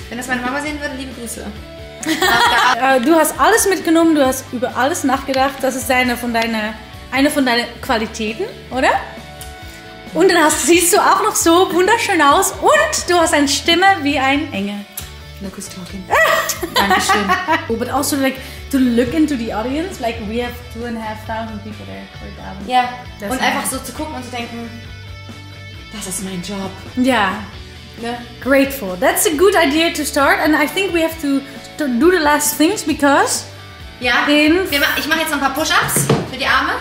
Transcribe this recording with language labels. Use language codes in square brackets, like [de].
[de] Wenn das meine Mama sehen würde, liebe Grüße. Du hast alles mitgenommen, du hast über alles nachgedacht. Das ist eine von deinen Qualitäten, oder? Und dann siehst du auch noch so wunderschön aus und du hast eine Stimme wie ein Engel. [en] Look who's talking. [de] Dankeschön. [en] Oh, but also like to look into the audience, like we have 2,500 people there for the album. Yeah. That's und nice. [de] Einfach so zu gucken und zu denken, das ist mein Job. [en] Yeah. Yeah. Grateful. That's a good idea to start and I think we have to do the last things because... Yeah. [de] Ich mache jetzt noch ein paar Push-Ups für die Arme.